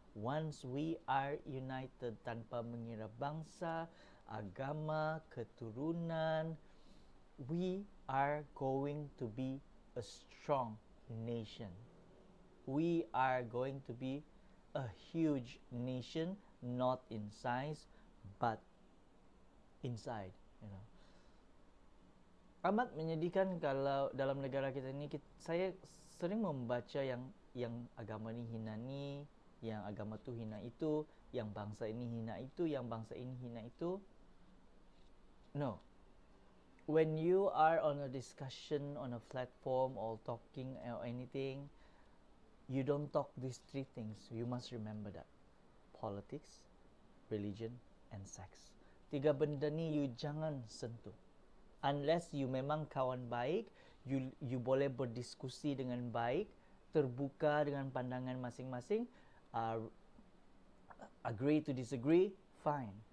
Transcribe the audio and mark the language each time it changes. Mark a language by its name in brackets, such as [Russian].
[English] once we are united [Malay] tanpa mengira bangsa, agama, keturunan, [English] we are going to be a strong nation. We are going to be a huge nation, not in size, but inside, you know. [Malay] Amat menyedihkan kalau dalam negara kita ini, saya sering membaca yang agama ini hina ini, yang agama itu hina itu, yang bangsa ini hina itu, yang bangsa ini hina itu. [English] No. When you are on a discussion, on a platform, or talking, or anything, you don't talk these three things. You must remember that. Politics, religion, and sex. [Malay] Tiga benda ni you jangan sentuh. Unless you memang kawan baik, you boleh berdiskusi dengan baik, terbuka dengan pandangan masing-masing, [English] agree to disagree, fine.